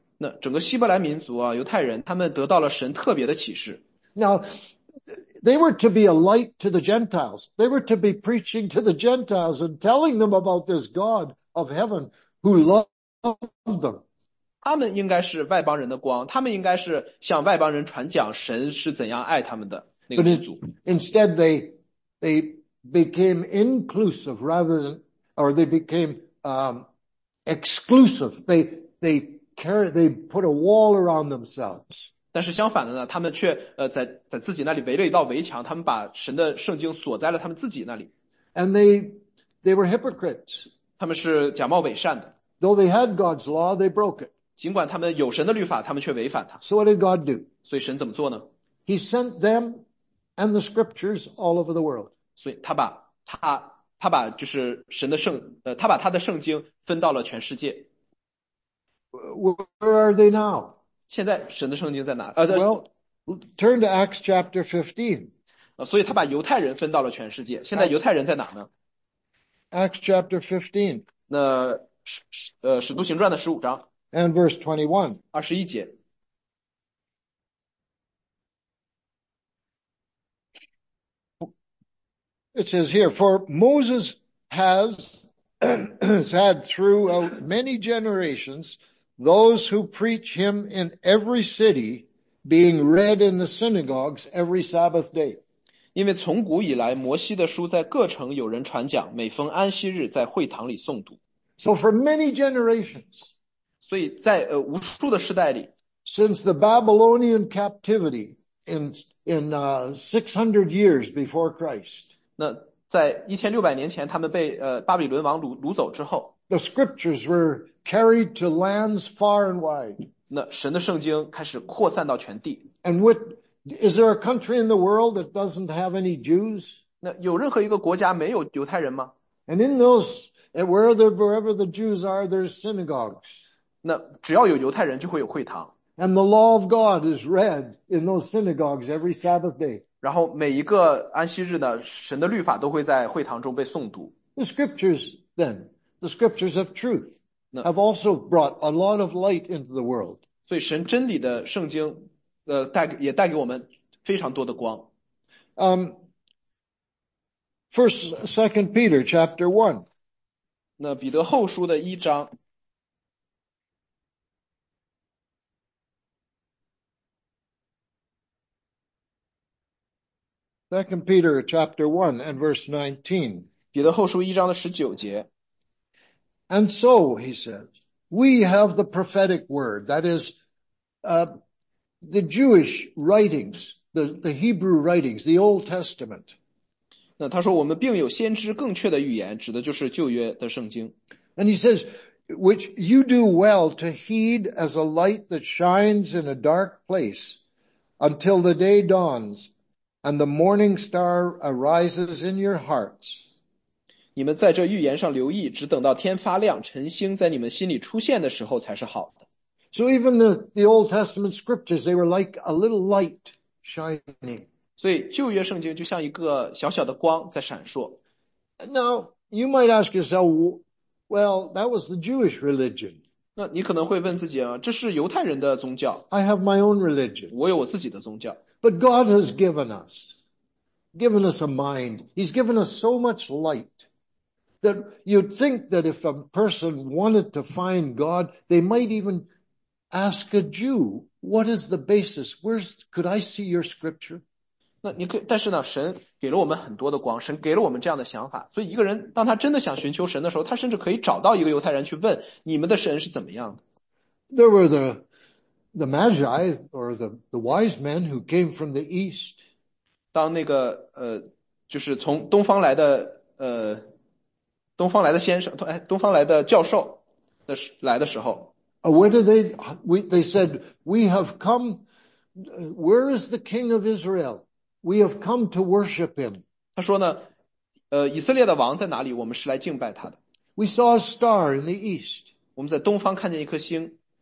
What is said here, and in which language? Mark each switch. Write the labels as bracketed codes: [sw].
[zh] 那整个希伯来民族啊，犹太人，他们得到了神特别的启示。 [en] Now, they were to be a light to the Gentiles. They were to be preaching to the Gentiles and telling them about this God of heaven who loved them. [zh] 他们应该是外邦人的光，他们应该是向外邦人传讲神是怎样爱他们的那个民族。 [en] Instead, they became inclusive rather than. Or they became, exclusive. They put a wall around themselves. [zh] 但是相反的呢，他们却在自己那里围了一道围墙，他们把神的圣经锁在了他们自己那里。 [en] And they were hypocrites. [zh] 他们是假冒伪善的。 [en] Though they had God's law, they broke it. [zh] 尽管他们有神的律法，他们却违反它。 [en] So what did God do? [zh] 所以神怎么做呢？ [en] He sent them and the scriptures all over the world. [zh] 所以他把就是神的圣他把他的圣经分到了全世界。 [en] Where are they now? [zh] 现在神的圣经在哪？ [en] Well, turn to Acts chapter 15. [zh] 所以他把犹太人分到了全世界。现在犹太人在哪呢？ [en] Acts chapter 15. [zh] 那使徒行传的15章。 [en] And verse 21. [zh] 21节。 [en] It says here, for Moses has had throughout many generations those who preach him in every city being read in the synagogues every Sabbath day. [zh] 因为从古以来摩西的书在各城有人传讲每逢安息日在会堂里诵读。 [en] So for many generations, [zh] 所以在无数的世代里 [en] since the Babylonian captivity in 600 years before Christ, [zh] 那在1600年前他们被巴比伦王掳走之后 [en] The scriptures were carried to lands far and wide. [zh] 那神的圣经开始扩散到全地。 [en] And what, is there a country in the world that doesn't have any Jews? [zh] 那有任何一个国家没有犹太人吗？ [en] And in those, wherever the Jews are, there's synagogues. [zh] 那只要有犹太人就会有会堂。 [en] And the law of God is read in those synagogues every Sabbath day. [zh] 然后每一个安息日呢，神的律法都会在会堂中被诵读。 [en] The scriptures, then, the scriptures of truth have also brought a lot of light into the world. [zh] 所以神真理的圣经，也带给我们非常多的光。 [en] Second Peter chapter 1. [zh] 那彼得后书的一章。 [en] Second Peter chapter 1 and verse 19. [zh] 彼得后书一章的19节。 [en] And so, he says, we have the prophetic word, that is, the Jewish writings, the Hebrew writings, the Old Testament. [zh] 那他说，我们并有先知更确的预言，指的就是旧约的圣经。 [en] And he says, which you do well to heed as a light that shines in a dark place until the day dawns and the morning star arises in your hearts. [zh] 你们在这预言上留意，只等到天发亮，晨星在你们心里出现的时候才是好的。 [en] So even the Old Testament scriptures, they were like a little light shining. [zh] 所以旧约圣经就像一个小小的光在闪烁。 [en] Now, you might ask yourself, well, that was the Jewish religion. [zh] 那你可能会问自己啊，这是犹太人的宗教， [en] I have my own religion. [zh] 我有我自己的宗教。 [en] But God has given us a mind. He's given us so much light. That you'd think that if a person wanted to find God, they might even ask a Jew, what is the basis? Could I see your scripture? [zh] 那你可，但是呢，神给了我们很多的光，神给了我们这样的想法，所以一个人当他真的想寻求神的时候，他甚至可以找到一个犹太人去问你们的神是怎么样的。 [en] There were the Magi or the wise men who came from the east. [zh] 当那个就是从东方来的东方来的先生，哎，东方来的教授的来的时候。 [en] Where do they said, we have come, where is the king of Israel? We have come to worship him. [zh] 他说呢，以色列的王在哪里？我们是来敬拜他的。 [en] We saw a star in the east. [zh] 我们在东方看见一颗星。